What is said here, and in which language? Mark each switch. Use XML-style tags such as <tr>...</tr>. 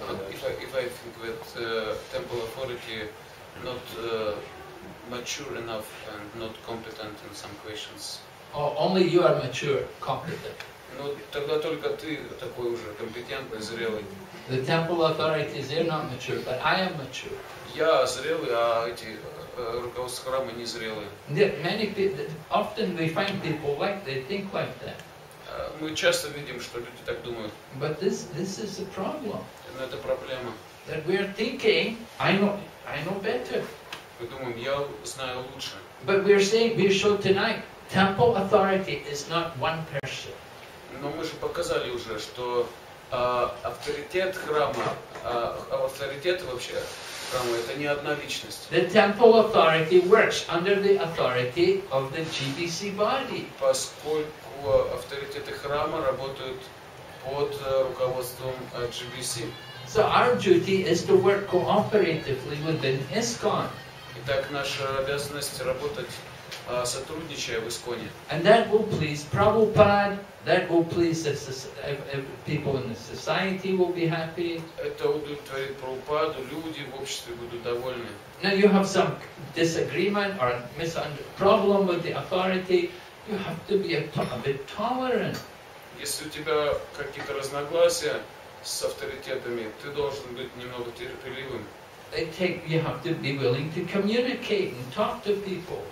<en>If I think that temple authority not mature enough and not competent in some questions. Oh, only you are mature, competent.</en> <ru>Ну тогда только ты такой уже компетентный, зрелый.</ru> <en>The temple authorities are not mature, but I am mature.</en> <ru>Я зрелый, а эти руководство храма не зрелые.</ru> <en>Yeah, many people, often we find people like they think like that.</en> <ru>Мы часто видим, что люди так думают.</ru> <en>But this is a problem.</en> <ru>Но это проблема.</ru> <en>That we are thinking, I know better.</en> <ru>Мы думаем, я знаю лучше.</ru> <en>But we are saying, we showed tonight, temple authority is not one person.</en> <ru>Но мы же показали уже, что авторитет храма, авторитет вообще храма, это не одна личность.</ru> <en>The temple authority works under the authority of the GBC body.</en> <ru>Поскольку авторитеты храма работают под руководством GBC.</ru> <en>So our duty is to work cooperatively within ISKCON.</en> <ru>Итак, наша обязанность работать, сотрудничая в ИСККОНе.</ru> <en>And that will please Prabhupada, that will please the people in the society will be happy.</en> <ru>Это удовлетворит Прабхупаду, люди в обществе будут довольны.</ru> <en>Now you have some disagreement or misunderstanding problem with the authority, you have to be a bit tolerant.</en> <ru>Если у тебя какие-то разногласия с авторитетами, ты должен быть немного терпеливым.</ru> <en>You have to be willing to communicate and talk to people.</en>